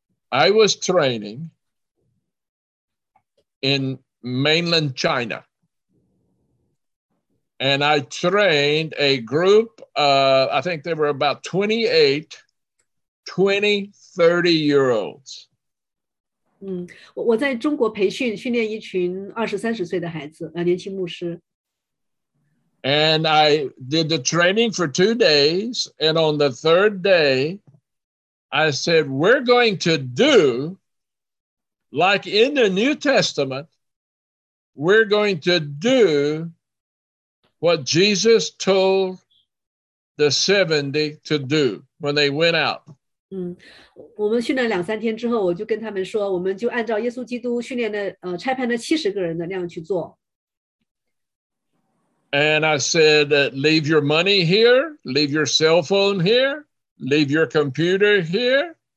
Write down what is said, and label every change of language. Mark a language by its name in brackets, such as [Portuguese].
[English] I was training in mainland China, and I trained a group. I think there were about 20, 30 year olds. [Chinese] 我在中国培训，训练一群20-30岁的孩子，年轻牧师。 [English] And I did the training for 2 days, and on the third day, I said, we're going to do like in the New Testament, we're going to do what Jesus told the 70 to do when they went out. [Chinese] 我们训练两三天之后，我就跟他们说，我们就按照耶稣基督训练的，差派那70个人的那样去做。 [English] And I said, leave your money here, leave your cell phone here, leave your computer here.